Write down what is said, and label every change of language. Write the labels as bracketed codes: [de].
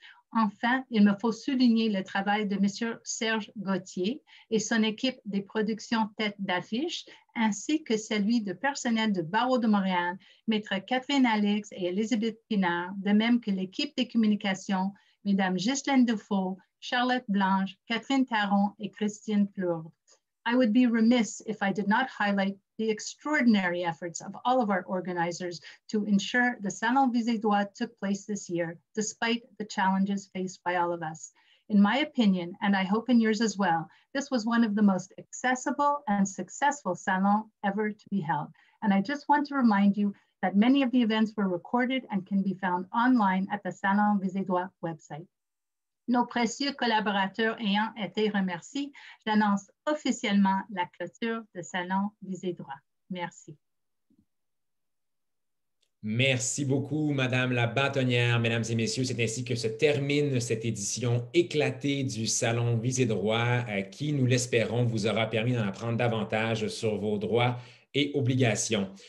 [fr] Enfin, il me faut souligner le travail de M. Serge Gauthier et son équipe des productions Tête d'affiche, ainsi que celui de personnel de Barreau de Montréal, Maître Catherine Alix et Elisabeth Pinard, de même que l'équipe des communications, Mesdames Ghislaine Dufault, Charlotte Blanche, Catherine Taron et Christine Plourde. [en] I would be remiss if I did not highlight the extraordinary efforts of all of our organizers to ensure the Salon Visé-Droit took place this year, despite the challenges faced by all of us. In my opinion, and I hope in yours as well, this was one of the most accessible and successful salons ever to be held. And I just want to remind you that many of the events were recorded and can be found online at the Salon Visé-Droit website. [fr] Nos précieux collaborateurs ayant été remerciés, j'annonce officiellement la clôture de Salon Visé-Droit. Merci. Merci beaucoup, Madame la Bâtonnière. Mesdames et messieurs, c'est ainsi que se termine cette édition éclatée du Salon Visé-Droit qui, nous l'espérons, vous aura permis d'en apprendre davantage sur vos droits et obligations.